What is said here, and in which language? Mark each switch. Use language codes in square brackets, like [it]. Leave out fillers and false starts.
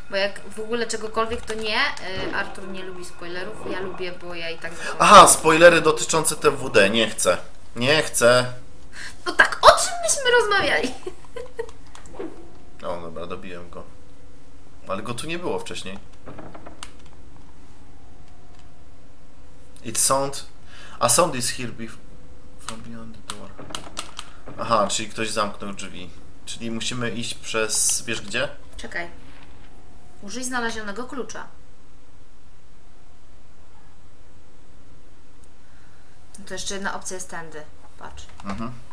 [pl] Bo jak w ogóle czegokolwiek to nie, Artur nie lubi spoilerów, ja lubię, bo ja i tak... Aha, spoilery dotyczące TWD, nie chcę. Nie chcę. No tak, o czym myśmy rozmawiali? O, dobra, dobiłem go. Ale go tu nie było wcześniej. [en] A sound is here from beyond the door. [pl] Aha, czyli ktoś zamknął drzwi. Czyli musimy iść przez... wiesz gdzie? Czekaj. Użyj znalezionego klucza. No to jeszcze jedna opcja jest tędy. Patrz. Mhm.